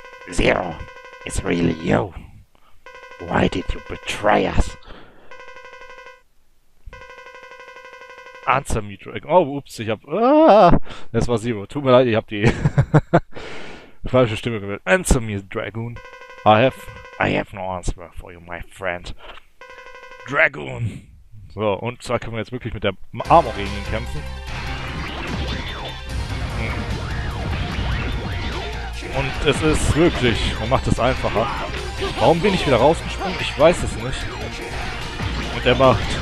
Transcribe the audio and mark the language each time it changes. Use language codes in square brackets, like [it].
[en] Zero, it's really you. Why did you betray us? Answer me, Dragon. [de] Oh, ups, ich hab... Das war Zero. Tut mir leid, ich hab die falsche Stimme gewählt. [en] Answer me, Dragon. I have no answer for you, my friend. Dragon. [de] So, und zwar können wir jetzt wirklich mit der Armor gegen ihn kämpfen. Und es ist wirklich... Man macht es einfacher. Warum bin ich wieder rausgesprungen? Ich weiß es nicht. Und er macht...